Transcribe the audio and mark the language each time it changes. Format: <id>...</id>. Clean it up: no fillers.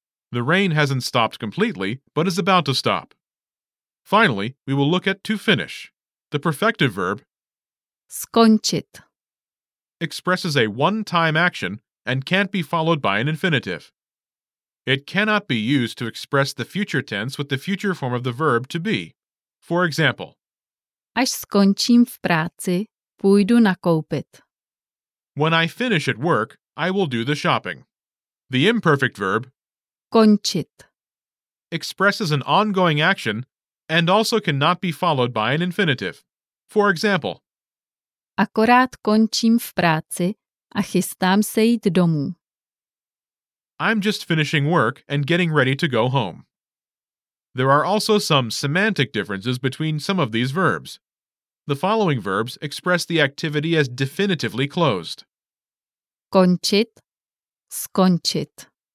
<en>The rain hasn't stopped completely, but is about to stop. Finally, we will look at to finish. The perfective verb</en> <cs>skončit</cs> <en>expresses a one-time action and can't be followed by an infinitive. It cannot be used to express the future tense with the future form of the verb to be. For example,</en> <cs>až skončím v práci, půjdu nakoupit.</cs> <en>When I finish at work, I will do the shopping. The imperfect verb</en> <cs>končit</cs> <en>expresses an ongoing action and also cannot be followed by an infinitive. For example,</en> <cs>akorát končím v práci a chystám se jít domů.</cs> <en>I'm just finishing work and getting ready to go home. There are also some semantic differences between some of these verbs. The following verbs express the activity as definitively closed.</en> <cs>Končit, skončit.</cs>